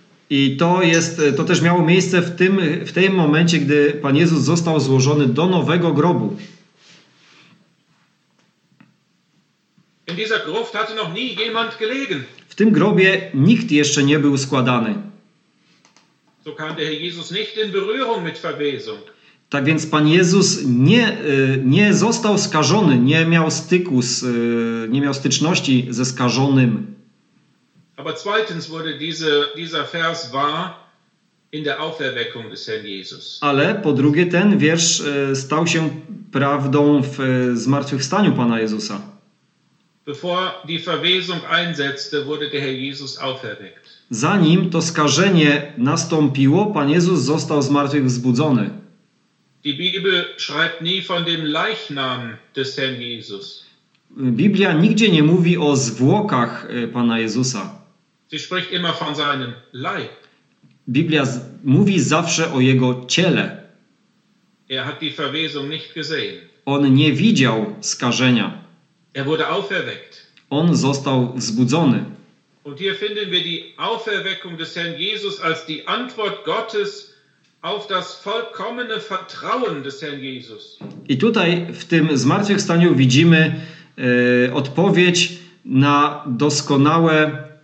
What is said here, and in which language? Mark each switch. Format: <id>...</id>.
<pl>I to też miało miejsce w tym momencie, gdy Pan Jezus został złożony do nowego grobu.</pl> <de>In dieser Gruft hatte noch nie jemand gelegen.</de> <pl>W tym grobie nikt jeszcze nie był składany.</pl> <de>So kam der Herr Jesus nicht in Berührung mit Verwesung.</de> <pl>Tak więc Pan Jezus nie został skażony, nie miał styku, nie miał styczności ze skażonym.</pl> <de>Aber zweitens wurde dieser Vers wahr in der Auferweckung des Herrn Jesus.</de> <pl>Ale po drugie ten wiersz stał się prawdą w zmartwychwstaniu Pana Jezusa.</pl> <de>Bevor die Verwesung einsetzte, wurde der Herr Jesus auferweckt.</de> <pl>Zanim to skażenie nastąpiło, Pan Jezus został zmartwychwzbudzony.</pl> <de>Die Bibel schreibt nie von dem Leichnam des Herrn Jesus.</de> <pl>Biblia nigdzie nie mówi o zwłokach Pana Jezusa.</pl> <de>Sie spricht immer von seinem Leib.</de> <pl>Biblia mówi zawsze o jego ciele.</pl> <de>Er hat die Verwesung nicht gesehen.</de> <pl>On nie widział skażenia.</pl> <de>Er wurde auferweckt.</de> <pl>On został wzbudzony.</pl> <de>Und hier finden wir die Auferweckung des Herrn Jesus als die Antwort Gottes auf das vollkommene Vertrauen des Herrn Jesus.</de> <pl>I tutaj w tym zmartwychwstaniu widzimy odpowiedź na doskonałe</pl>